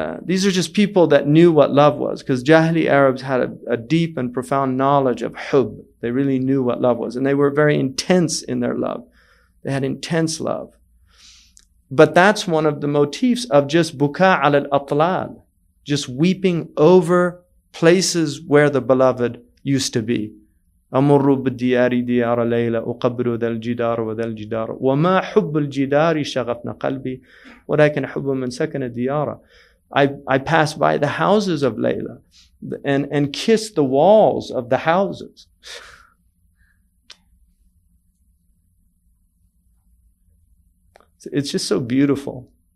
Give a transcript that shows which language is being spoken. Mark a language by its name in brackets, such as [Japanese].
[English] These are just people that knew what love was, because Jahili Arabs had a deep and profound knowledge of hub. They really knew what love was, and they were very intense in their love. They had intense love. But that's one of the motifs of just buka al atlal, just weeping over places where the beloved used to be. [Arabic] أمر بالديار ديار ليلى أقبر ذا الجدار وذا الجدار وما حب الجدار شغفنا قلبي ولكن حب من سكن الديار. [English] I pass by the houses of Layla and kiss the walls of the houses. It's just so beautiful.